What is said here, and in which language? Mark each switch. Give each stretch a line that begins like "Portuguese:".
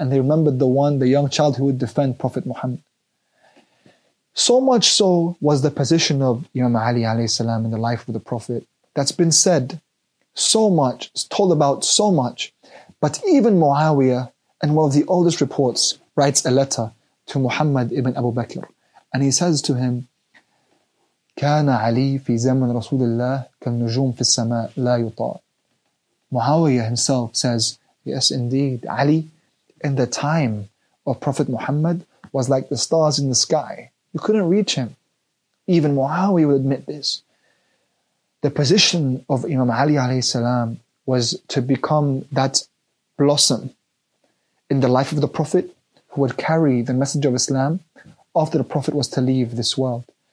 English: And they remembered the one, the young child who would defend Prophet Muhammad. So much so was the position of Imam Ali alayhi salam in the life of the Prophet. That's been said so much, told about so much. But even Muawiyah, in one of the oldest reports, writes a letter to Muhammad ibn Abu Bakr. And he says to him,
Arabic: كان علي في زمن رسول الله كالنجوم في السماء لا يطاع.
English: Muawiyah himself says, yes indeed, Ali in the time of Prophet Muhammad was like the stars in the sky. You couldn't reach him. Even Muawiyah would admit this. The position of Imam Ali alayhi salam was to become that blossom in the life of the Prophet who would carry the message of Islam after the Prophet was to leave this world.